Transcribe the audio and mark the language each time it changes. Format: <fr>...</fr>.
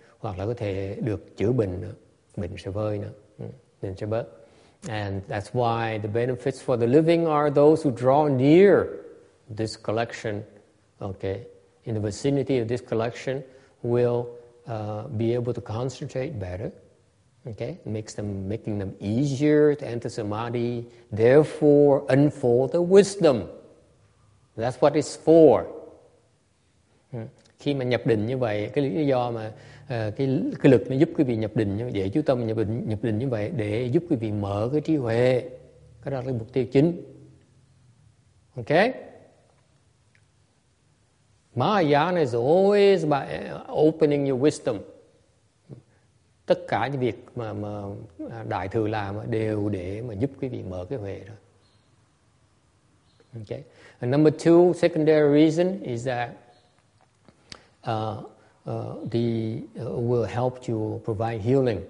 <vi>Hoặc là có thể được chữa bệnh, bệnh sẽ vơi nữa, bệnh sẽ bớt.</vi> <en>And that's why the benefits for the living are those who draw near this collection. Okay, in the vicinity of this collection will be able to concentrate better. Okay, making them easier to enter samadhi. Therefore, unfold the wisdom. That's what it's for.</en> <vi>Khi mà nhập định như vậy, cái lý do mà cái lực nó giúp quý vị nhập định như vậy, chú tâm nhập định như vậy để giúp quý vị mở cái trí huệ, cái đó là cái mục tiêu chính.</vi> <en>Ok, Mahayana is always about opening your wisdom.</en> <vi>Tất cả những việc mà đại thừa làm đều để mà giúp quý vị mở cái huệ đó.</vi> <en>Ok, and number two secondary reason is that will help you provide healing.</en>